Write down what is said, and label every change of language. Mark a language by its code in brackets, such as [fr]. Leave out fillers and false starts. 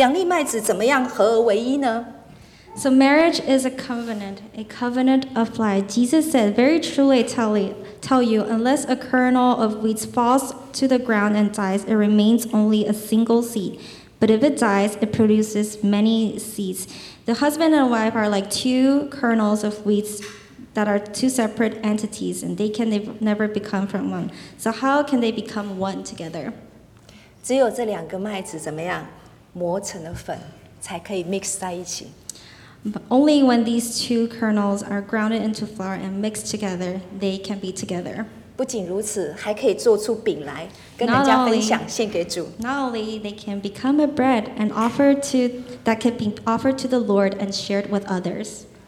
[zh] 妻子跟教会这样的一个神圣关系是盟约，基督和教会也是这样的关系。所以这边讲到就是说，耶稣说一粒麦子落不落在地里死了，仍旧是一粒。如果落在地里死了，就结出许多的子粒来。那夫妻跟太太呢是两粒麦子，两粒麦子怎么样合而为一呢？ [en] So marriage is a covenant of life. Jesus said, very truly tell you, unless a kernel of wheat falls to the ground and dies, it remains only a single seed. But if it dies, it produces many seeds. The husband and wife are like two kernels of wheat that are two separate entities, and they can never become from one. So how can they become one together? [zh] 只有这两个麦子怎么样？磨成了粉，才可以 mix 在一起。 [en] But only when these two kernels are grounded into flour and mixed together, they can be together. [zh] 不仅如此，还可以做出饼来，跟人家分享，献给主。 [en] Not only they can become a bread and offered to the Lord and shared with others.